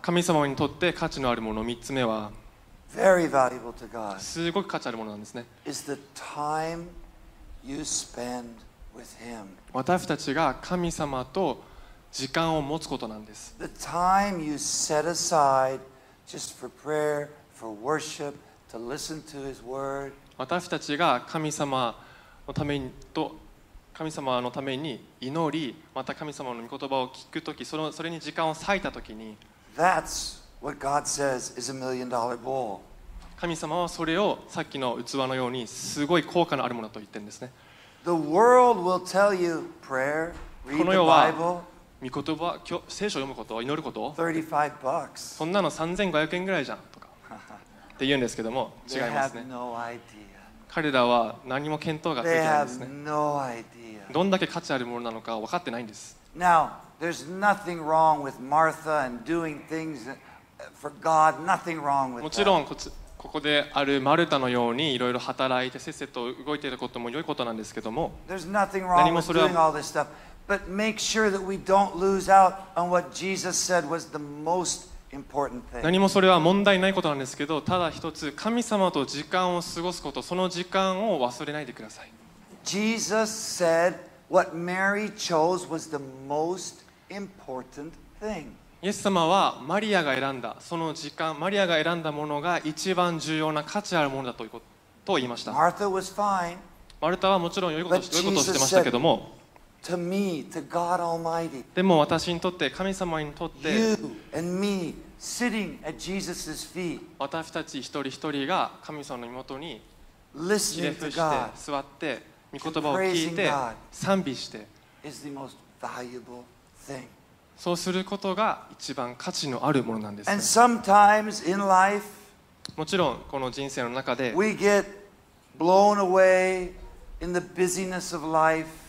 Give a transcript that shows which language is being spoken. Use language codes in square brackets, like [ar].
[ja] 神様にとって価値のあるもの3つ目は、 [en] Very valuable to God. [ja] すごく価値あるものなんですね。 [en] Is the time you spend with Him. [ja] 私たちが神様と時間を持つことなんです。 [en] The time you set aside just for prayer, for worship, to listen to His word. [ja] 私たちが神様のためにと神様のために祈り、また神様の御言葉を聞くとき、それに時間を割いたときに、 [en] That's what God says is a million dollar bowl. [ja] 神様はそれをさっきの器のようにすごい効果のあるものと言ってるんですね。 [en] The world will tell you prayer, read the Bible. [ja] 御言葉、聖書を読むこと、祈ること [en] 35 bucks. [ja] そんなの3500円ぐらいじゃんとかって言うんですけども、違いますね。 [en] No、idea. [ja] 彼らは何も見当がついてないんですね。 [en] No、idea. [ja] どんだけ価値あるものなのか分かってないんです。 [en] Now, there's nothing wrong with Martha and doing things for God. Nothing wrong with that. [ja] もちろんここであるマルタのようにいろいろ働いてせっせと動いていることも良いことなんですけども、 [en] there's nothing wrong with doing all this stuff. But make sure that we don't lose out on what Jesus said was the most important thing. [ja] 何もそれは問題ないことなんですけど、ただ一つ神様と時間を過ごすこと、その時間を忘れないでください。 [en] Jesus said what Mary chose was the most important thing. [ja] イエス様はマリアが選んだその時間、マリアが選んだものが一番重要な価値あるものだと言いました。 [en] Martha was fine. [ja] マルタはもちろん良いことをしてましたけども。 [en] To me, to God Almighty. [ja] でも私にとって、神様にとって、 [en] you and me sitting at Jesus's feet. [ja] 私たち一人一人が神様の身元に [en] listening to God, [ja] 座って御言葉を聞いて賛美して、 [en] is the most valuable thing. [ja] そうすることが一番価値のあるものなんです。 [en] And sometimes in life, [ja] もちろんこの人生の中で、 [en] we get blown away in the busyness of life.